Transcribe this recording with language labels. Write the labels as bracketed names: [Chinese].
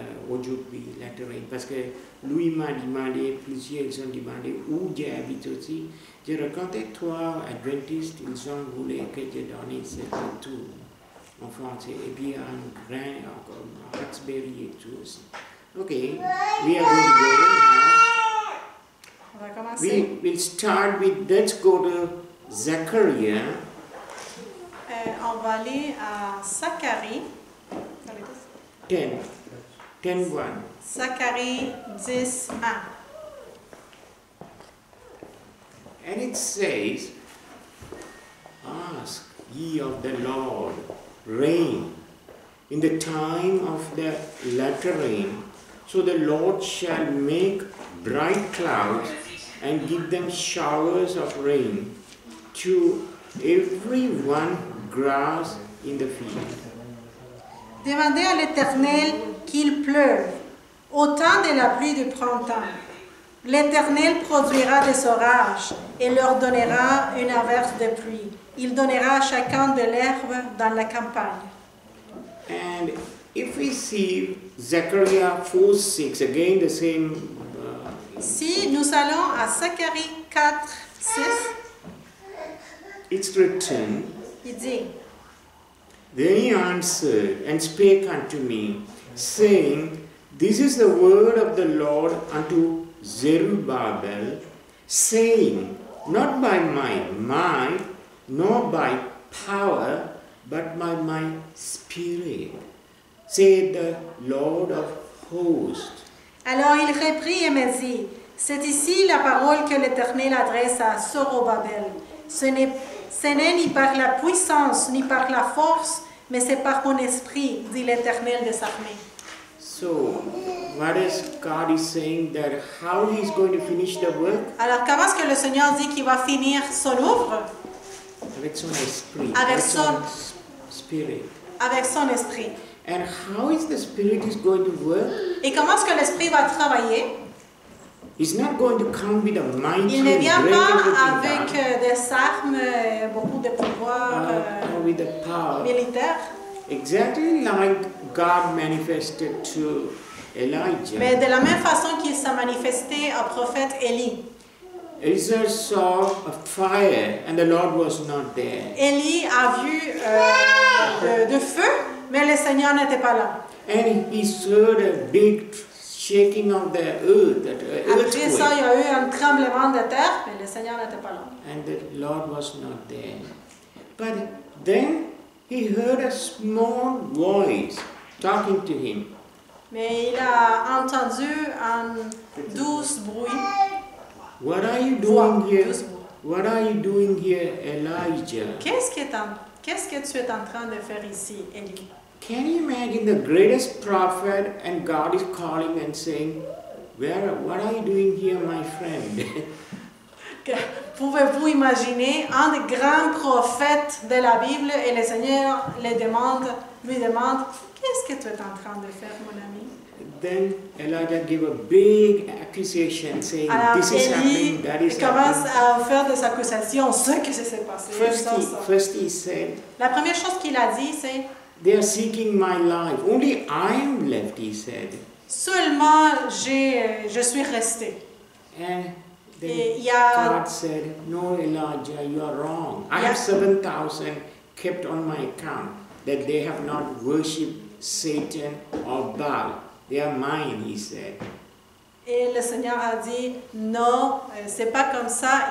[French] Aujourd'hui, lettering, parce que lui m'a demandé, plusieurs ont demandé où j'habite aussi. J'ai raconté trois adventistes, ils ont voulu que je donne cette tour en français, et puis un grain, encore un Huxbury et tout aussi. [English] Ok, we are going to go. We will start with, let's go to Zachariah. [French] On va aller à Zacharie. 10. 10:1. Zacharie 10:1. [English] And it says, ask ye of the Lord rain in the time of the latter rain, so the Lord shall make bright clouds and give them showers of rain to every one grass in the field. [French] Demandez à l'Éternel qu'il pleuve au temps de la pluie du printemps. L'Éternel produira des orages et leur donnera une averse de pluie. Il donnera à chacun de l'herbe dans la campagne. [English] And if we see Zechariah 4:6, again the same. [French] Si nous allons à Zacharie 4:6, [English] it's written, [French] il dit, [English] then he answered and spake unto me, saying, this is the word of the Lord unto Zerubbabel, saying, not by my might, nor by power, but by my spirit, saith the Lord of hosts. [French] Alors il reprit et me dit, c'est ici la parole que l'Éternel adresse à Zorobabel. Ce n'est ni par la puissance, ni par la force, mais c'est par mon esprit, dit l'Éternel des armées. [English] So, what is God is saying, that how he is going to finish the work? [French] Alors, comment est-ce que le Seigneur dit qu'il va finir son œuvre? Avec son esprit. Avec son spirit. Avec son esprit. [English] And how is the spirit is going to work? [French] Et comment est-ce que l'esprit va travailler? [English] He's not going to come with a mighty, [French] il ne vient pas avec des armes, beaucoup de pouvoir [English] with the power. [French] Militaire. [English] Exactly like God manifested to Elijah. [French] Mais de la même façon qu'il s'est manifesté au prophète Élie. [English] Israel saw a fire and the Lord was not there. [French] Élie a vu de feu, mais le Seigneur n'était pas là. [English] And he heard a big shaking of the earth. [French] Après ça, il y a eu un tremblement de terre, mais le Seigneur n'était pas là. [English] And the Lord was not there. But then he heard a small voice talking to him. [French] Mais il a entendu un doux bruit. [English] What are you doing here? What are you doing here, Elijah? [French] Qu'est-ce que tu es en train de faire ici, Élie? [English] Can you imagine the greatest prophet and God is calling and saying, "Where? What are you doing here, my friend?" [French] Pouvez-vous imaginer un des grands prophètes de la Bible et le Seigneur lui demande, qu'est-ce que tu es en train de faire, mon ami? [English] Then Elijah gave a big accusation, saying, [French] alors, [English] "This is [French] Elie [English] happening. That is [French] commence [English] happening." [French] À faire des accusations. Ce qui s'est passé. [English] First, he said. [French] La première chose qu'il a dit, c'est. [English] They are seeking my life. Only I am left, he said. [French] Seulement, je suis resté. [English] And then God said, no, Elijah, you are wrong. I have 7,000 kept on my account that they have not worshipped Satan or Baal. They are mine, he said. [French] Et le Seigneur a dit, non, c'est pas comme ça.